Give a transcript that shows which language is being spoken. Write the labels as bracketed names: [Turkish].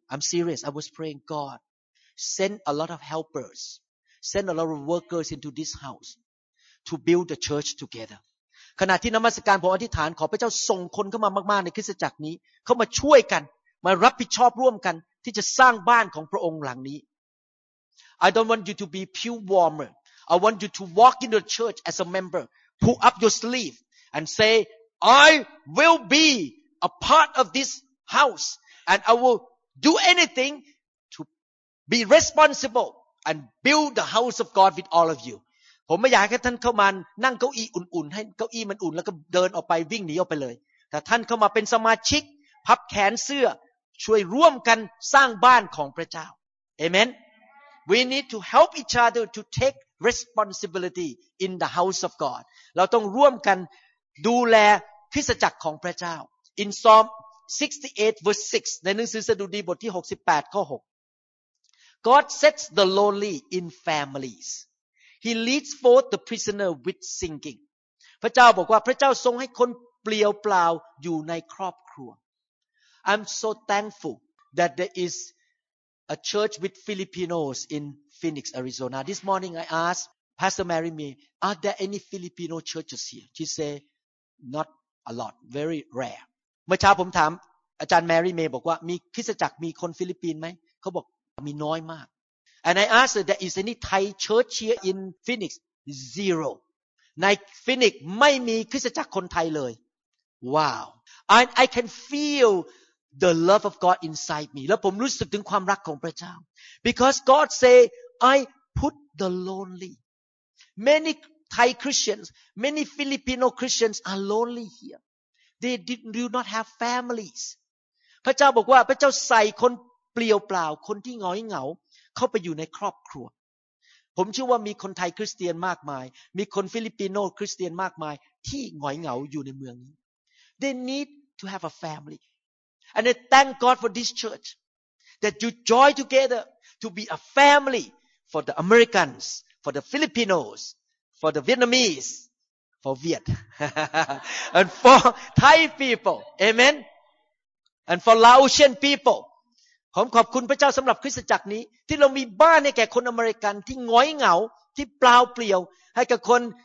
[English] I'm serious. I was praying, God, send a lot of helpers, send a lot of workers into this house to build the church together. [Thai] ขณะที่นมัสการผมอธิษฐานขอพระเจ้าส่งคนเข้ามามากๆในคริสตจักรนี้เข้ามาช่วยกันมารับผิดชอบร่วมกันที่จะสร้างบ้านของพระองค์หลังนี้ [English] I don't want you to be pew warmer. I want you to walk into the church as a member. Pull up your sleeve and say, I will be a part of this house and I will do anything to be responsible and build the house of God with all of you. [Thai] ผมไม่อยากให้ท่านเข้ามานั่งเก้าอี้อุ่นๆให้เก้าอี้มันอุ่นแล้วก็เดินออกไปวิ่งหนีออกไปเลยแต่ท่านเข้ามาเป็นสมาชิกพับแขนเสื้อช่วยร่วมกันสร้างบ้านของพระเจ้า Amen. [English] We need to help each other to takeresponsibility in the house of God [Thai] เราต้องร่วมกันดูแลคริสตจักรของพระเจ้า [English] In Psalm 68 verse 6 [Thai] ในหนังสือสดุดีบทที่68ข้อ6 [English] God sets the lowly in families He leads forth the prisoner with singing [Thai] พระเจ้าบอกว่าพระเจ้าทรงให้คนเปลี่ยวเปล่าอยู่ในครอบครัว [English] I'm so thankful that there is a church with Filipinos in Phoenix, Arizona. This morning I asked Pastor Mary Mee, are there any Filipino churches here? She said, not a lot, very rare. [Thai] เมื่อเช้าผมถามอาจารย์แมรี่เมย์บอกว่ามีคริสตจักรมีคนฟิลิปปินส์ไหมเขาบอกมีน้อยมาก [English] And I asked her, there is any Thai church here in Phoenix? Zero. [Thai] ใน Phoenix ไม่มีคริสตจักรคนไทยเลย [English] Wow. And I can feelThe love of God inside me. [Thai] และผมรู้สึกถึงความรักของพระเจ้า [English] Because God say, I put the lonely. Many Thai Christians, many Filipino Christians are lonely here. They do not have families. [Thai] พระเจ้าบอกว่าพระเจ้าใส่คนเปลี่ยวเปล่าคนที่หงอยเหงาเข้าไปอยู่ในครอบครัวผมเชื่อว่ามีคนไทยคริสเตียนมากมายมีคนฟิลิปปินโนคริสเตียนมากมายที่หงอยเหงาอยู่ในเมืองนี้ [English] They need to have a family. And I thank God for this church that you join together to be a family for the Americans, for the Filipinos, for the Vietnamese, for Viet, and for Thai people. Amen. And for Laotian people. [Thai] ผมขอบคุณพระเจ้าสำหรับคริสตจักรนี้ที่เรามีบ้านให้แก่คนอเมริกันที่หงอยเหงาที่เปล่าเปลี่ยวให้กับคน